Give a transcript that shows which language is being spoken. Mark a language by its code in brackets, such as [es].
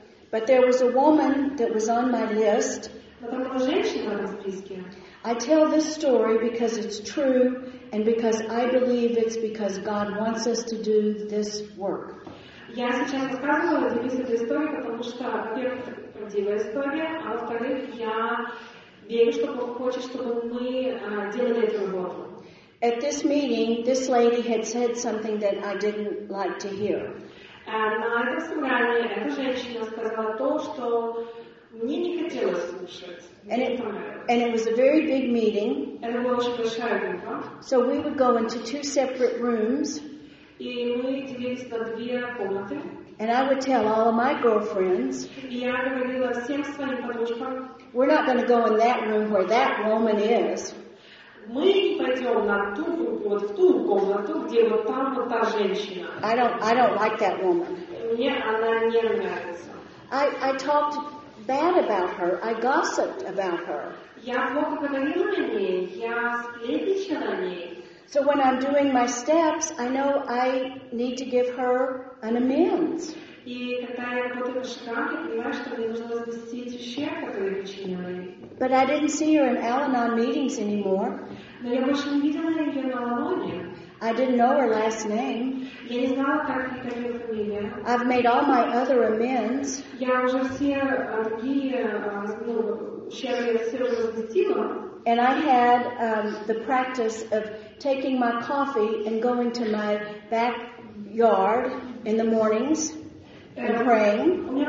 [en] But there was a woman that was on my list. I tell this story because it's true and because I believe it's because God wants us to do this work. [ru] Я сейчас рассказываю, делюсь этой историей, потому что, во-первых, это правдивая история, а во-вторых, я верю, что Бог хочет, чтобы мы делали эту работу. [en] At this meeting, this lady had said something that I didn't like to hear. [ru] На этом собрании эта женщина сказала то, что мне не хотелось слушать. [en] And it, was a very big meeting. [ru] Это была очень большая группа. [en] So we would go into two separate rooms. [ru] И мы делились на две комнаты. [en] And I would tell all of my girlfriends, [ru] я говорила всем своим подружкам, [en] we're not going to go in that room where that woman is. [ru] Мы не пойдем на ту группу, вот в ту комнату, где вот там вот та женщина. [en] I don't like that woman. [ru] Мне она не нравится. [en] I talked bad about her. I gossiped about her. [ru] Я плохо говорила о ней. Я сплетничала о ней. [en] So when I'm doing my steps, I know I need to give her an amends. [ru] И когда я работаю на шкафе, я понимаю, что мне нужно возместить ущерб, который я причинила ей. [en] But I didn't see her in Al-Anon meetings anymore. [ru] Но я больше не видела ее на Алоне. [en] I didn't know her last name. [ru] Я не знала, как ее фамилия. [en] I've made all my other amends. [ru] Я уже все другие ущербы все возместила. [en] And I had the practice of taking my coffee and going to my backyard in the mornings. And praying.